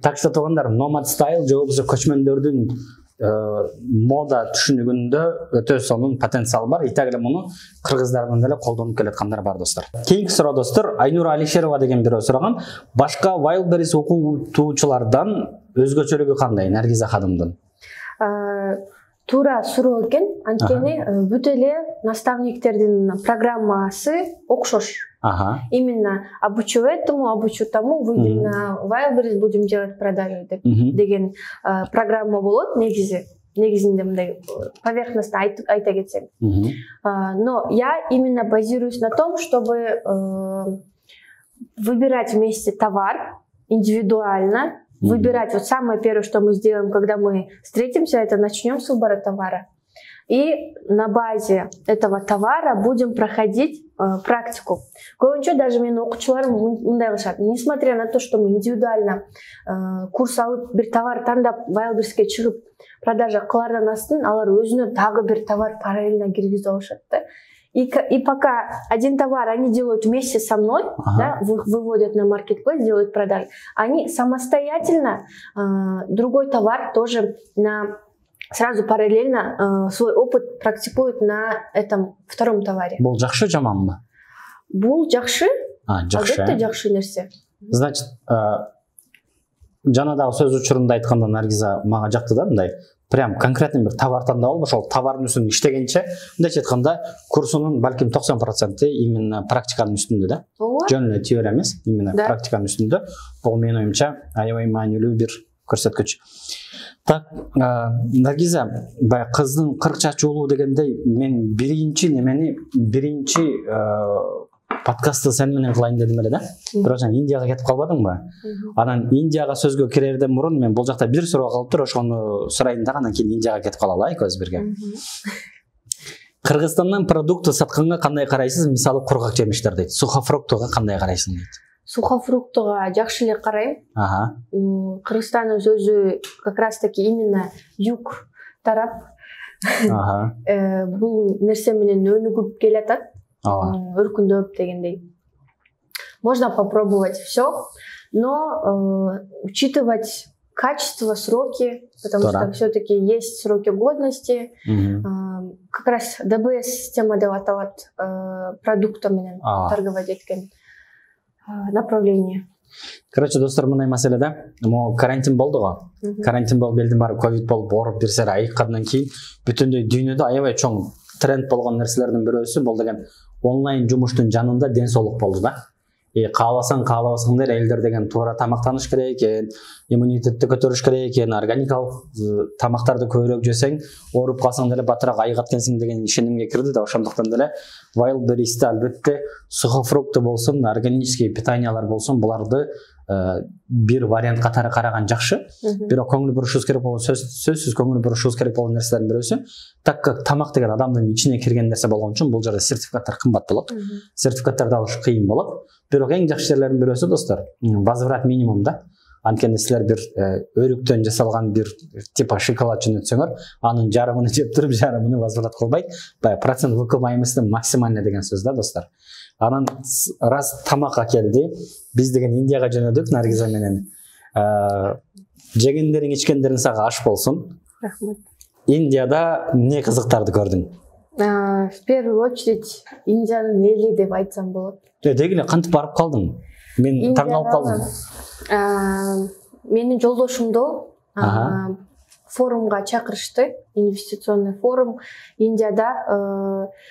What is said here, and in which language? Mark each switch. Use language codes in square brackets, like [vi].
[ky] Так что тогондор, номад стайл же болбосо көчмөндөрдүн мода түшүнүгүндө өтө сонун потенциал бар. Итак эле муну кыргыздардан деле колдонуп келаткандар бар достор. Кийинки суроо достор, Айнура Алишерова деген бирөө сураган. Башка Wildberries окуучулардан өзгөчөлүгү кандай Наргиза ханымдын? Туура суроо экен, анткени бүт эле наставниктердин программасы окшош. Ага. [ru] Именно обучу этому, обучу тому, выйдем на Wildberries, будем делать продажи [ky] деп деген программа болот негизи. Негизинде мындай поверхностно айта кетсем. [ru] Но я именно базируюсь на том, чтобы выбирать вместе товар индивидуально. Выбирать, вот самое первое, что мы сделаем, когда мы встретимся, это начнем с выбора товара. И на базе этого товара будем проходить практику. [ky] Кое-что даже мен окуучуларым мындай кылышат. [ru] Несмотря на то, что мы индивидуально курс [ky] алып, бир товар тандап, Wildberries-ке чыгып, продажа кылардан астын, алар өзүнө дагы бир товар параллельно киргизип алышат да. [ru] И пока один товар они делают вместе со мной, ага. Да, выводят на маркетплейс, делают продажи, они самостоятельно другой товар тоже на сразу параллельно свой опыт практикуют на этом втором товаре. [ky] Бул жакшы жаманбы? Бул жакшы. А, жакшы. Албетте жакшы нерсе. Значит, жана дагы сөз учурунда айтканда Наргиза мага жакты да мындай. [ru] Прям конкретный [ky] бир товар тандап алып, ошол товардын үстүн иштегенче, мындайча айтканда курсунун балким 90% именно практиканын үстүндө да. Жөн эле теория эмес, именно да. Практиканын үстүндө. Бул менин оюмча аябай маанилүү бир көрсөткүч. Так, Наргиза, бая кыздын 40 чачы уулуу дегендей, мен биринчи немени биринчи подкастты сен менен кылайын дедим эле да. Бирок сен Индияга кетип калбадыңбы? Анан Индияга сөзгө кирерден мурун мен бул жакта бир суроо калыптыр, ошону сурайын дагы, анан кийин Индияга кетип калалы экөөбүз бирге. Кыргызстандан продукты сатканга кандай карайсыз? Мисалы кургак жемиштер дейт, сухофруктуга кандай карайсың дейт? Сухофруктуга жакшы эле карайм. Ага. Кыргызстан өзү [ru] как раз таки именно [ky] юг тарап. Ага. Бул нерсе менен өнүгүп келатат. Өркүндөп дегендей. [ru] Можно попробовать все, но учитывать качество, сроки, потому что все-таки есть сроки годности. Как раз ДБС система деп аталат продукты менен торговать эткен направление. [ky] Короче, достор, мындай маселе да, могу карантин болду го. Карантин болуп, элдин баары ковид болуп, ооруп бир сыйра айыккандан кийин бүтүндөй дүйнөдө аябай чоң тренд болгон нерселердин бирөөсү бул деген онлайн жумуштун жанында ден соолук болду да. Каалбасаң каалабасаң деле элдер деген туура тамактаныш керек экен, иммунитетти көтөрүш керек экен, органикалык тамактарды көбүрөөк жесең ооруп калсаң деле батыраак айыгат экенсиң деген ишенимге кирди да. Ошондуктан деле Wildberries-те албетте сухофрукты болсун, органический питаниялар болсун, буларды бир вариант катары караган жакшы. Бирок көңүл бурушубуз керек болгон сөзсүз көңүл бурушубуз керек болгон нерселердин бирөөсү, так как тамак деген адамдын ичине кирген нерсе болгон үчүн бул жерде сертификаттар кымбат болот. Сертификаттарды алыш кыйын болот. Бирок эң жакшы жерлердин бирөөсү достор, возврат минимум да. анткени силер бир өрүктөн жасалган бир типа шоколад жөнөтсөңөр, анын жарымын жеп туруп, жарымын возврат кылбайт. Бая процент выкупаемости максимальный деген сөз да, достор. Анан раз тамак келди, биз деген Индияга жөнөдүк Наргиза менен. Жегендерин ичкендерин сага аш болсун. Рахмат. Индияда эмне кызыктарды көрдүң? [ru] В первую очередь, [ky] Индияны эли деп айтсам болот. Дегиле кантип барып калдым? Мен таңалып калдым. Менин жолдошумду форумга чакырышты, [ru] инвестиционный форум [ky] Индияда.